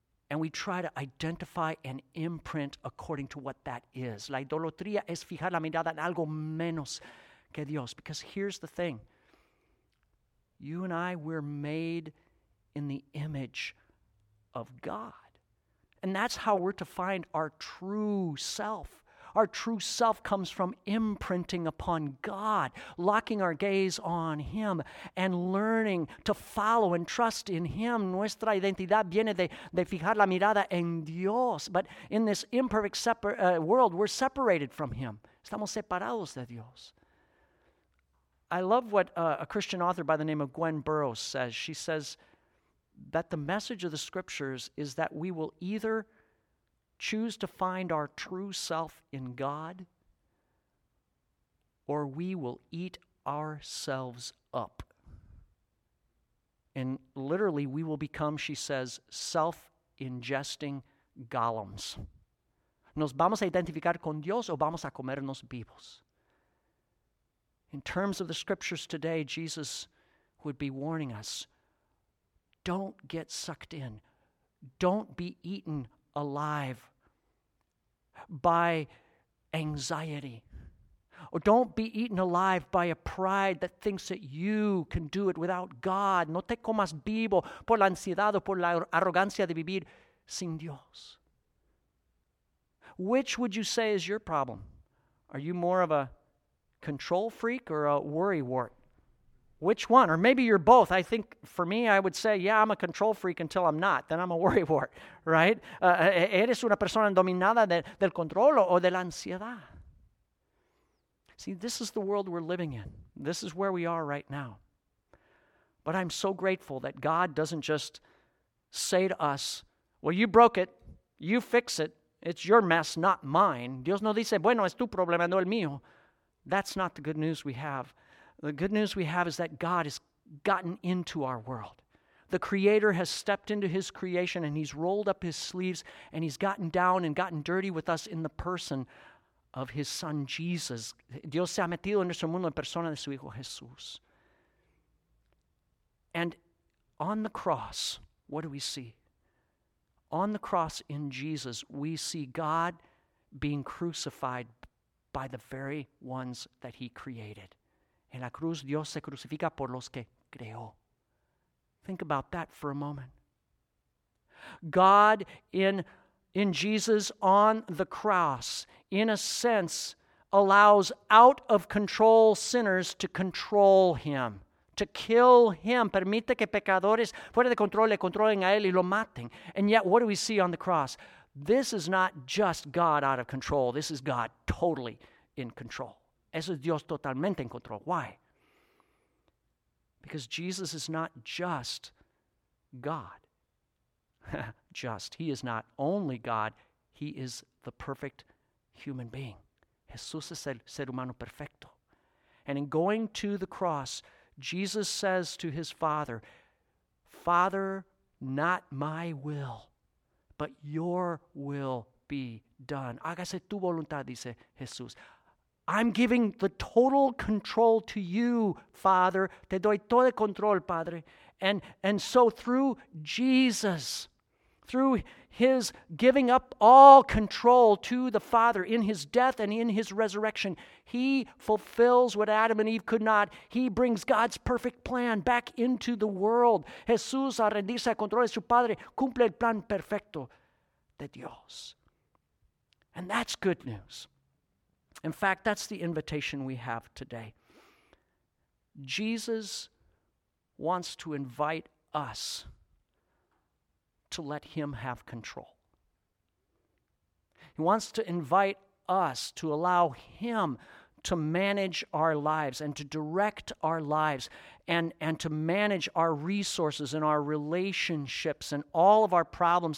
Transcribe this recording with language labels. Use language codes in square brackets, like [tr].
[en] And we try to identify and imprint according to what that is. [es] La idolatría es fijar la mirada en algo menos que Dios. [en] Because here's the thing. You and I, we're made in the image of God. And that's how we're to find our true self. Our true self comes from imprinting upon God, locking our gaze on Him, and learning to follow and trust in Him. [es] Nuestra identidad viene de fijar la mirada en Dios. [en] But in this imperfect world, we're separated from Him. [es] Estamos separados de Dios. [en] I love what a Christian author by the name of Gwen Burroughs says. She says that the message of the Scriptures is that we will either choose to find our true self in God, or we will eat ourselves up. And literally, we will become, she says, self-ingesting golems. [es] Nos vamos a identificar con Dios o vamos a comernos vivos. [en] In terms of the Scriptures today, Jesus would be warning us, don't get sucked in. Don't be eaten alive by anxiety. Or don't be eaten alive by a pride that thinks that you can do it without God. [es] No te comas vivo por la ansiedad o por la arrogancia de vivir sin Dios. [en] Which would you say is your problem? Are you more of a control freak or a worry wart? Which one? Or maybe you're both. I think for me, I would say, yeah, I'm a control freak until I'm not. Then I'm a worrywart, right? [es] ¿Eres una persona dominada del control o de la ansiedad? [en] See, this is the world we're living in. This is where we are right now. But I'm so grateful that God doesn't just say to us, well, you broke it. You fix it. It's your mess, not mine. [es] Dios no dice, bueno, es tu problema, no el mío. [en] That's not the good news we have. The good news we have is that God has gotten into our world. The Creator has stepped into His creation and He's rolled up His sleeves and He's gotten down and gotten dirty with us in the person of His Son, Jesus. [es] Dios se ha metido en nuestro mundo en persona de su Hijo, Jesús. [en] And on the cross, what do we see? On the cross in Jesus, we see God being crucified by the very ones that He created. [es] En la cruz, Dios se crucifica por los que creó. [en] Think about that for a moment. God in Jesus on the cross, in a sense, allows out of control sinners to control Him, to kill Him. [es] Permite que pecadores fuera de control le controlen a él y lo maten. [en] And yet, what do we see on the cross? This is not just God out of control. This is God totally in control. [es] Eso es Dios totalmente en control. [en] Why? Because Jesus is not just God. Just. He is not only God. He is the perfect human being. [es] Jesús es el ser humano perfecto. [en] And in going to the cross, Jesus says to His Father, Father, not my will, but Your will be done. [es] Hágase tu voluntad, dice Jesús. [en] I'm giving the total control to You, Father. [es] Te doy todo el control, Padre. [en] And so through Jesus, through his giving up all control to the Father in his death and in his resurrection, he fulfills what Adam and Eve could not. He brings God's perfect plan back into the world. Jesús, al rendirse al control de su Padre, cumple el plan perfecto de Dios. And that's good news. In fact, that's the invitation we have today. Jesus wants to invite us to let him have control. He wants to invite us to allow him to manage our lives and to direct our lives and to manage our resources and our relationships and all of our problems.